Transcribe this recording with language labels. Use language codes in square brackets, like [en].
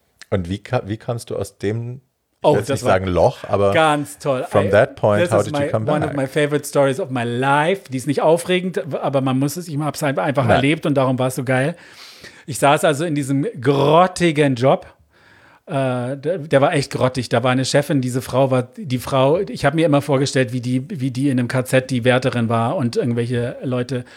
[de] Und wie kannst du aus dem, Loch, aber ganz toll. [en] From that point, how did you come back? One of my favorite stories of my life. [de] Die ist nicht aufregend, aber man muss es, ich habe es einfach erlebt und darum war es so geil. Ich saß also in diesem grottigen Job. Der war echt grottig. Da war eine Chefin, diese Frau war, die Frau, ich habe mir immer vorgestellt, wie die in einem KZ die Wärterin war und irgendwelche Leute.